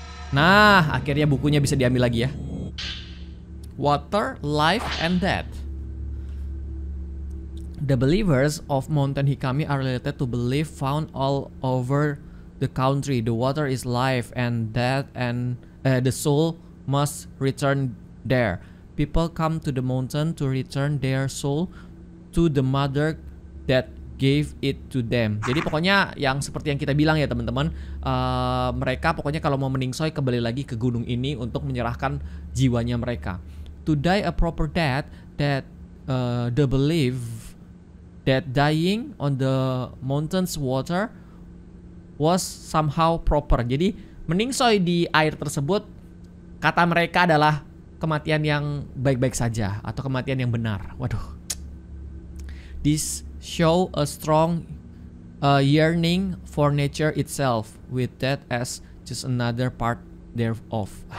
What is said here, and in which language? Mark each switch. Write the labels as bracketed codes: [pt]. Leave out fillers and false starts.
[id] Nah, akhirnya bukunya bisa diambil lagi ya. [en] Water, Life, and Death. The believers of Mountain Hikami are related to belief found all over the country. The water is life and death, and the soul must return there. People come to the mountain to return their soul to the mother that gave it to them. [id] Jadi pokoknya yang seperti yang kita bilang ya, teman-teman, mereka pokoknya kalau mau meningsoy kembali lagi ke gunung ini untuk menyerahkan jiwanya mereka. [en] To die a proper death, that the belief that dying on the mountain's water was somehow proper. [id] Jadi meningsoy di air tersebut, kata mereka, adalah kematian yang baik-baik saja atau kematian yang benar. Waduh. This [en] show a strong yearning for nature itself, with that as just another part thereof.